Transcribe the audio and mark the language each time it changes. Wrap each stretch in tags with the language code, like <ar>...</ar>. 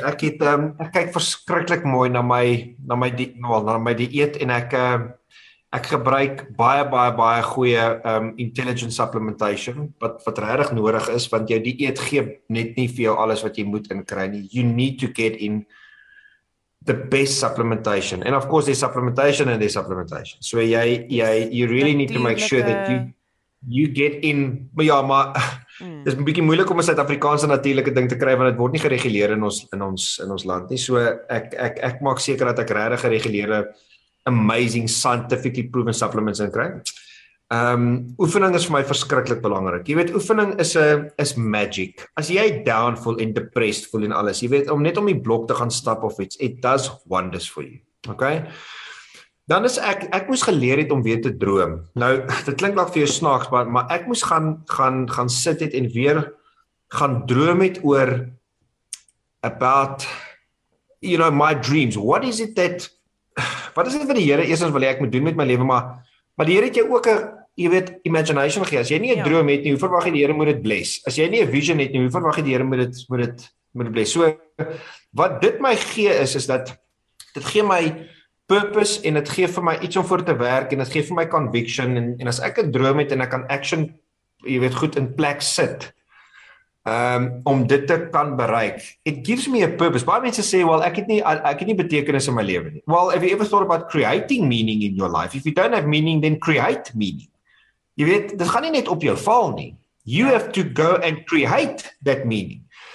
<af>Ek het ek kyk verskriklik mooi na my dieet, en ek gebruik baie baie baie goeie intelligent supplementation wat regtig nodig is, want jou dieet gee net nie vir jou alles wat jy moet inkry nie.</af> <en>You need to get in the best supplementation. And of course, there's supplementation and there's supplementation. So you really need to make sure that you get in.</en> <af>Dit is 'n bietjie moeilik om 'n Suid-Afrikaanse natuurlike ding te kry, want dit word nie gereguleer in ons land nie. So ek maak seker dat ek regtig gereguleerde</af> <en>amazing scientifically proven supplements</en> <af>in kry. Oefening is vir my verskriklik belangrik. Jy weet, oefening is magic. As jy down voel en depressed voel en alles, jy weet, om net om die blok te gaan stap of iets,</af> <en>it does wonders for you. Okay?</en> <af>Dan is ek moes geleer het om weer te droom. Nou, dit klink nog vir jou snaaks, maar ek moes gaan sit het en weer gaan droom het oor</af> <en>about, you know, my dreams. What is it that</en> <af>wat is dit wat die Here eers wil hê ek moet doen met my lewe, maar die Here het jou ook 'n, jy weet, imagination gegee. As jy nie 'n Ja. droom het nie, hoe verwag jy die Here moet dit bless? As jy nie 'n vision het nie, hoe verwag jy die Here moet dit bless? So wat dit my gee is dat dit gee my purpose en dit gee vir my iets om voor te werk en dit gee vir my conviction en as ek 'n droom het en ek kan action, jy weet, goed in plek sit. Om dit te kan bereik.</af> <en>It gives me a purpose.</en> <af>Baie mense sê, well, ek het nie betekenis in my lewe nie.</af> <en>Well, if you ever thought about creating meaning in your life, if you don't have meaning, then create meaning.</en> <af>Jy weet, dit gaan nie net op jou val nie.</af> <en>You have to go and create that meaning.</en>